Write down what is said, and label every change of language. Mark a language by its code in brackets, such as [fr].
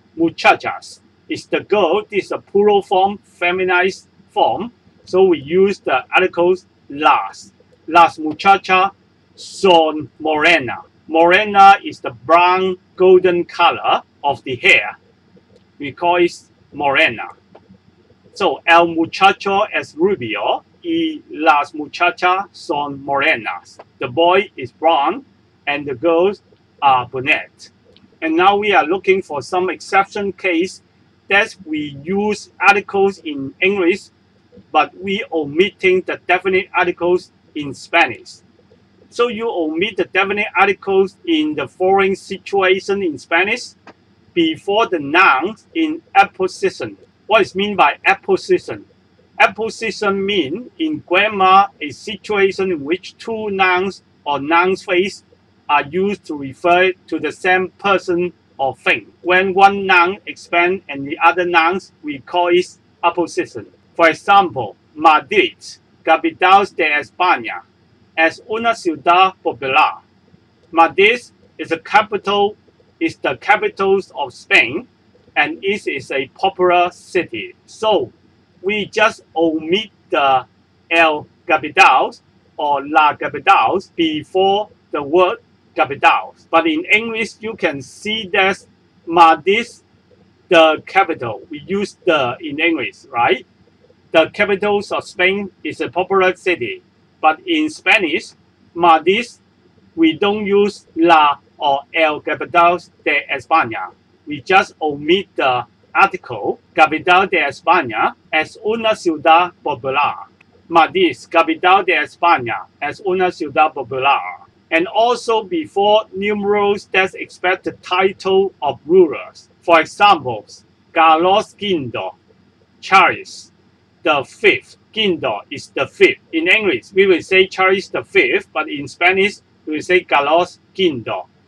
[en] Muchachas is the girl. This is a plural form, feminized form. So we use the articles las. [es] Las muchachas son morena. [en] Morena is the brown golden color of the hair. We call it morena. [es] So, el muchacho es rubio y las muchachas son morenas. [en] The boy is brown and the girls are brunette. And now we are looking for some exception case that we use articles in English, but we omitting the definite articles in Spanish. So you omit the definite articles in the following situation in Spanish before the noun in apposition. What is mean by apposition? Apposition mean in grammar a situation in which two nouns or noun phrase are used to refer to the same person or thing. When one noun expands and the other noun, we call it apposition. For example, [es] Madrid, capital de España, es una ciudad popular. [en] Madrid is the capital, is the capital of Spain, and it is a popular city. So we just omit the el capital or la capital before the word capital. But in English, you can see that Madrid, the capital, we use the in English, right? The capital of Spain is a popular city. But in Spanish, Madrid, we don't use la or el capital de España. We just omit the article, [es] capital de España, es una ciudad popular. Madrid, capital de España, es una ciudad popular. [en] And also before numerals that express the title of rulers. For example, Carlos Quinto, Charles the Fifth. Quinto is the fifth. In English, we will say Charles the Fifth, but in Spanish, we will say Carlos Quinto.